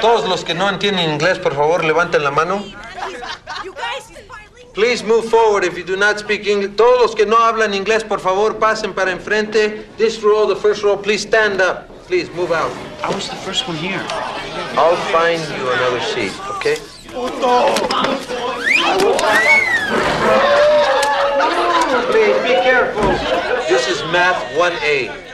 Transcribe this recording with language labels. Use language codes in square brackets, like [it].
[es] Todos los que no entienden inglés, por favor, levanten la mano. [en] Please move forward if you do not speak English. [es] Todos los que no hablan inglés, por favor, pasen para enfrente. [en] This row, the first row, please stand up. Please move out. I was the first one here. I'll find you another seat, okay? [es] Puto! [en] Please, be careful. This is math 1A.